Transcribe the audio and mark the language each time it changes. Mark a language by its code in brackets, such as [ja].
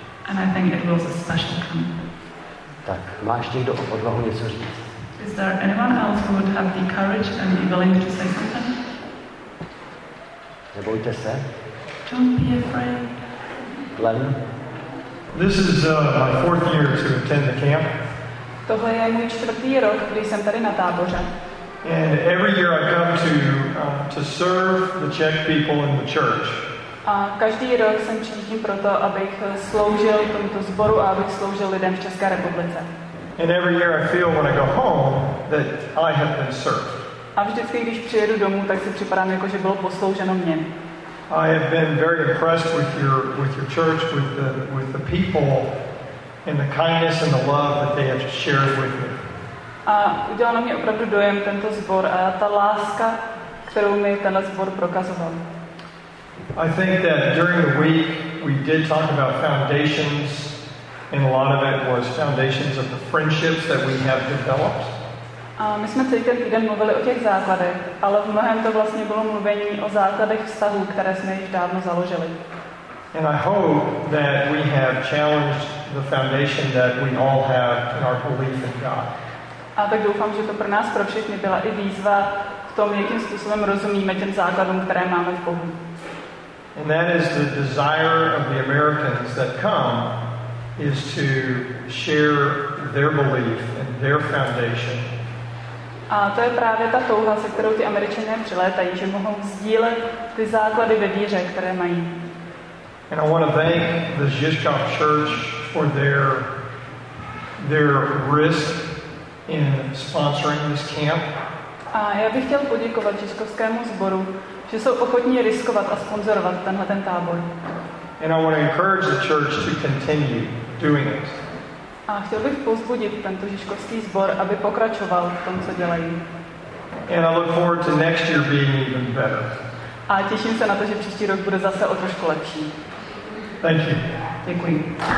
[en] And I think it was a special camp. [cs] Tak, má ještě někdo odvahu něco říct? [en] Is there anyone else who would have the courage and be willing to say something? [cs] Nebojte se. [en] Don't be afraid. Glenn? This is my fourth year to attend the camp. [cs] Tohle je můj čtvrtý rok, kdy jsem tady na táboře. [en] And every year I come to serve the Czech people in the church. [cs] A každý rok jsem přijíždím proto, abych sloužil tomuto sboru a abych sloužil lidem v České republice. [en] And every year I feel when I go home that I have been served. [cs] A vždycky, když přijedu domů, tak si připadám jako, že bylo poslouženo mně. [en] I have been very impressed with your church, with the people, and the kindness and the love that they have shared with me. [cs] A udělal na mě opravdu dojem tento sbor a ta láska, kterou mi ten sbor prokazoval. [en] I think that during the week we did talk about foundations, and a lot of it was foundations of the friendships that we have developed. [cs] A my jsme celý ten týden mluvili o těch základech, ale v mnohem to vlastně bylo mluvení o základech vztahů, které jsme již dávno založili. [en] And I hope that we have challenged the foundation that we all have in our belief in God. [cs] A tak doufám, že to pro nás pro všechny byla i výzva v tom, jakým způsobem rozumíme těm základům, které máme v Bohu. [en] And that is the desire of the Americans that come is to share their belief and their foundation. [cs] A to je právě ta touha, se kterou ty Američané přilétají, že mohou sdílet ty základy ve víře, které mají. [en] And I want to thank the Žižkov Church for their risk in sponsoring this camp. [cs] A já bych chtěl poděkovat Žižkovskému sboru, že jsou ochotní riskovat a sponzorovat tenhle ten tábor. [en] And I want to encourage the church to continue doing it. [cs] A chtěl bych povzbudit tento žižkovský sbor, aby pokračoval v tom, co dělají. [en] And I look forward to next year being even better. [cs] A těším se na to, že příští rok bude zase o trošku lepší. [en] Thank you. [cs] Děkuji.